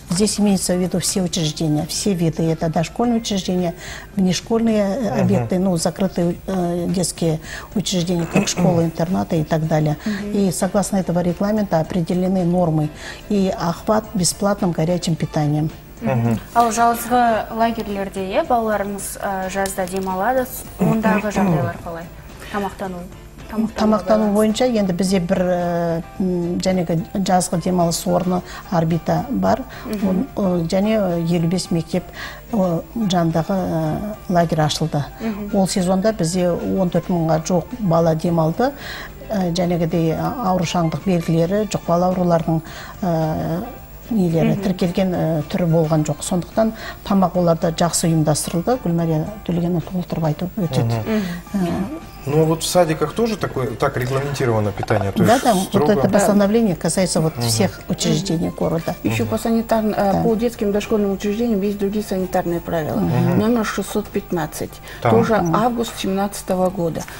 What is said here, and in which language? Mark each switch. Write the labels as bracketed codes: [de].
[ru] Здесь имеется в виду все учреждения, все виды. Это дошкольные учреждения, внешкольные объекты, ну, закрытые детские учреждения, как школы, интернаты и так далее. И согласно этого регламента определены нормы и охват бесплатным горячим питанием. [kk] Ал жазғы лагерлерде, е, балаларымыз жазда демалады, ондағы жағдайлар қалай? Тамақтану. Тамақтану бойынша, енді бізде бір жәнегі жазғы демалыс орны орбита бар, және 55 мектеп жандағы лагер ашылды. Ол сезонда бізде 14 мыңға жоқ бала демалды, жәнегідей аурушаңдық белгілері жоқ бала аурулардың нелері тіркелген түрі болған жоқ. Сондықтан тамақ оларда жақсы ұйымдастырылды. Гүлмария Төлегенов толықтырып айтып өтеді. [ru] Ну, вот в садиках тоже такое, так регламентировано питание? То да, есть строго... вот это постановление касается вот всех учреждений города. Еще по по детским дошкольным учреждениям есть другие санитарные правила. Номер 615. Там. Тоже август 2017 года.